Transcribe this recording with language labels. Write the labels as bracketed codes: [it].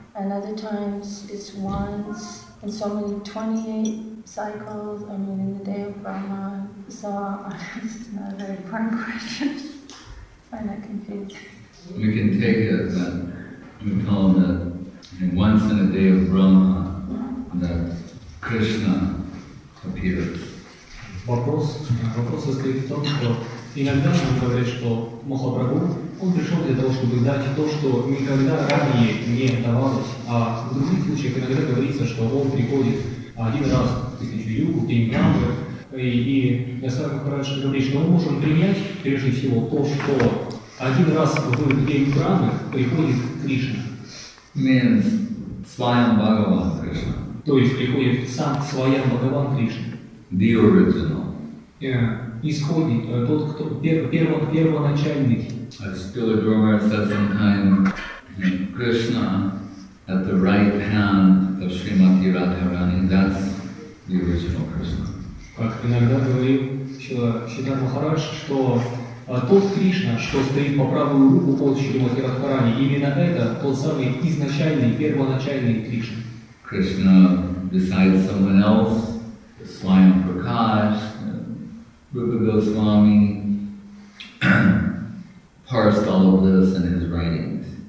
[en] And other times it's once in so many 28 cycles, I mean, in the day of Brahma. So it's not a very important question. I find that confusing. We can take it that we call that once in a day of Brahma, that Krishna appears. [ru] Вопрос состоит в том, что иногда нам говорят, что Махапрабху, он пришел для того, чтобы дать то, что никогда ранее не давалось. А в других случаях иногда говорится, что он приходит один раз в тысячу югу, в день Брамы. И я сам хорошо говорю, что мы можем принять, прежде всего, то, что один раз в день Брамы приходит Кришна. [en] Means Swayam Bhagavan Krishna. [ru] То есть приходит сам Свайам Бхагаван Кришна. [en] The original. [ru] Yeah, исходный, тот, кто первоначальник. [en] As Tila Gurmar said sometime, Krishna at the right hand of Srimati Radharani, that's the original Krishna. [ru] Как иногда говорил Шридхар Махарадж, что тот Кришна, что стоит по правую руку под Шримати Радхарани, именно это тот самый изначальный, первоначальный Кришна. [en] Krishna besides someone else, Swayam Prakash, Rupa Goswami, parsed all of this in his writings.